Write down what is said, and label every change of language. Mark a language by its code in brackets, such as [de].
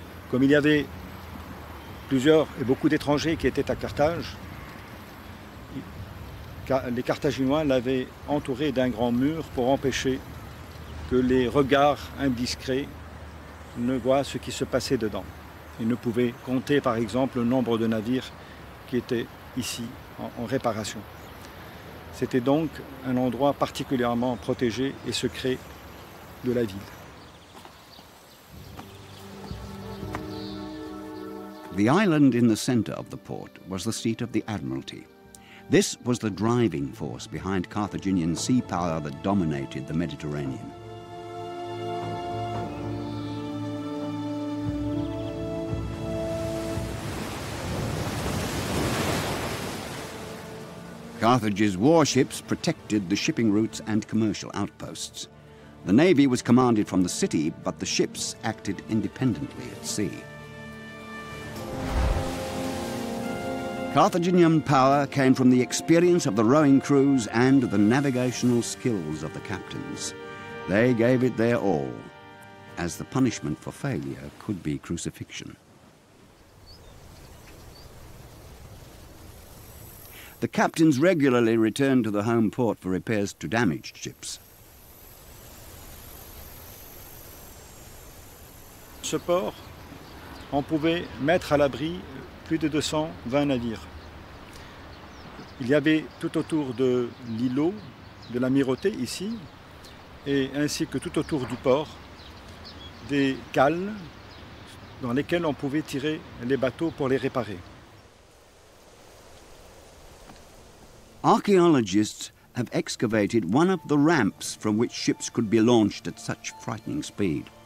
[fr] Comme il y avait plusieurs et beaucoup d'étrangers qui étaient à Carthage, les Carthaginois l'avaient entouré d'un grand mur pour empêcher que les regards indiscrets ne voient ce qui se passait dedans. Ils ne pouvaient compter, par exemple, le nombre de navires qui étaient ici en réparation. C'était donc un endroit particulièrement protégé et secret de la ville. [en] The island in the center of the port was the seat of the Admiralty. This was the driving force behind Carthaginian sea power that dominated the Mediterranean. Carthage's warships protected the shipping routes and commercial outposts. The navy was commanded from the city, but the ships acted independently at sea. Carthaginian power came from the experience of the rowing crews and the navigational skills of the captains. They gave it their all, as the punishment for failure could be crucifixion. The captains regularly returned to the home port for repairs to damaged ships. [fr] Ce port, on pouvait mettre à l'abri plus de 220 navires. Il y avait tout autour de l'îlot, de l'amirauté ici, et ainsi que tout autour du port, des cales dans lesquelles on pouvait tirer les bateaux pour les réparer. [en] Archaeologists have excavated one of the ramps from which ships could be launched at such frightening speed.